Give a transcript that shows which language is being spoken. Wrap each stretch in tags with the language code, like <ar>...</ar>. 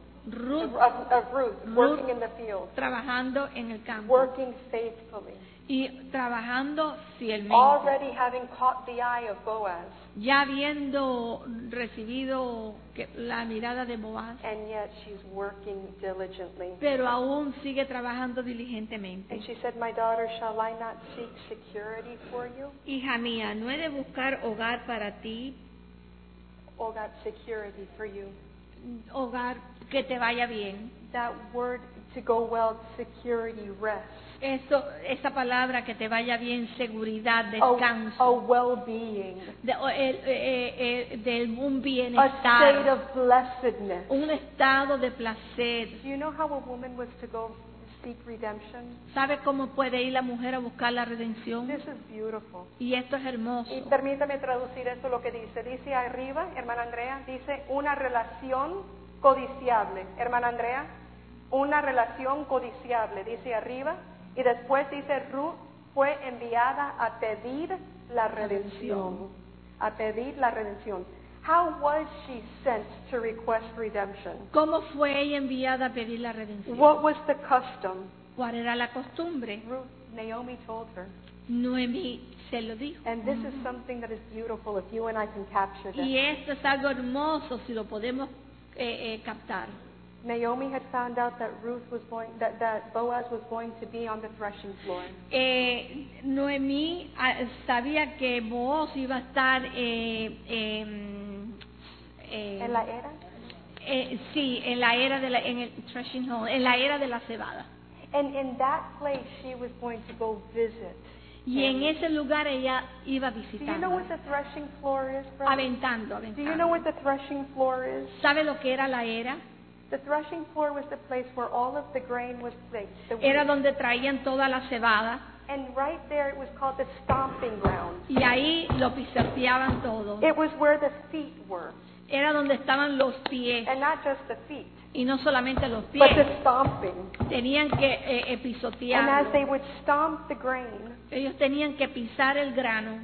<en>Ruth working in the field.</en> <es>Trabajando en el campo.</es> <en>Working faithfully.</en> <es>Y trabajando fielmente.</es> <en>Already having caught the eye of Boaz.</en> <es>Ya habiendo recibido la mirada de Boaz.</es> <en>And yet she's working diligently.</en> <es>Pero aún sigue trabajando diligentemente.</es> <en>And she said, "My daughter, shall I not seek security for you?"</en> <es>Hija mía, ¿no he de buscar hogar para ti?</es> <en>Hogar, security for you.</en> <es>Hogar que te vaya bien.</es> <en>That word to go well, security, rest.</en> <es>Esa palabra que te vaya bien, seguridad, descanso.</es> <en>A well-being.</en> <es>Del un bienestar.</es> <en>A state of blessedness.</en> <es>Un estado de placer.</es> <en>Do you know how a woman was to go seek redemption?</en> <es>¿Sabe cómo puede ir la mujer a buscar la redención?</es> <en>This is beautiful.</en> <es>Y esto es hermoso. Y permítame traducir esto lo que dice. Dice arriba, hermana Andrea, dice una relación codiciable. Hermana Andrea, una relación codiciable. Dice arriba. Y después dice, Ruth fue enviada a pedir la redención. A pedir la redención.</es> <en>How was she sent to request redemption?</en> <es>¿Cómo fue ella enviada a pedir la redención?</es> <en>What was the custom?</en> <es>¿Cuál era la costumbre?</es> <en>Ruth, Naomi told her.</en> <es>Noemí se lo dijo.</es> <en>And this is something that is beautiful if you and I can capture this.</en> <es>Y esto es algo hermoso si lo podemos captar.</es> <en>Naomi had found out that Ruth was going, that Boaz was going to be on the threshing floor.</en> <es>Noemí sabía que Boaz iba a estar en la era. Sí, en la era de la, en el</es> <en>threshing hall,</en> <es>en la era de la cebada.</es> <en>And in that place, she was going to go visit.</en> <es>Y en ese lugar ella iba visitando.</es> <en>Do you know what the threshing floor is,</en> <es>brother? Aventando, aventando.</es> <en>Do you know what the threshing floor is?</en> <es>¿Sabe lo que era la era?</es> <en>The threshing floor was the place where all of the grain was placed.</en> <es>Era donde traían toda la cebada.</es> <en>And right there it was called the stomping ground.</en> <es>Y ahí lo pisoteaban todo.</es> <en>It was where the feet were.</en> <es>Era donde estaban los pies.</es> <en>And not just the feet.</en> <es>Y no solamente los pies.</es> <en>But the stomping.</en> <es>Tenían que pisotear.</es> <en>And as they would stomp the grain,</en> <es>ellos tenían que pisar el grano.</es>